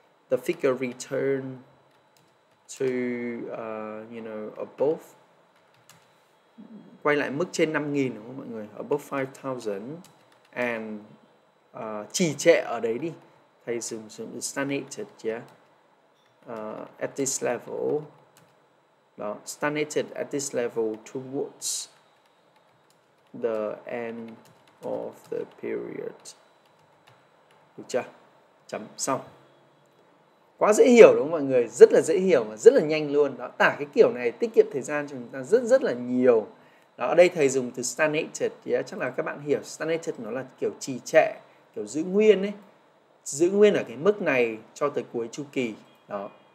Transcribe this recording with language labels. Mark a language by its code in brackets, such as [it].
[en] The figure return to you know above, [vi] quay lại mức trên 5000 đúng không mọi người? [en] Above 5000 and [vi] trì trệ ở đấy đi. Thầy dùng stagnated chứ. [en] Yeah. At this level. Đó, stagnated at this level towards the end of the period. [vi] Được chưa? Chấm xong. Quá dễ hiểu đúng không mọi người? Rất là dễ hiểu và rất là nhanh luôn. Đó, tả cái kiểu này tiết kiệm thời gian cho chúng ta rất rất là nhiều. Đó, ở đây thầy dùng từ stagnated, yeah. Chắc là các bạn hiểu stagnated nó là kiểu trì trệ, kiểu giữ nguyên ấy. Giữ nguyên ở cái mức này cho tới cuối chu kỳ. Đó.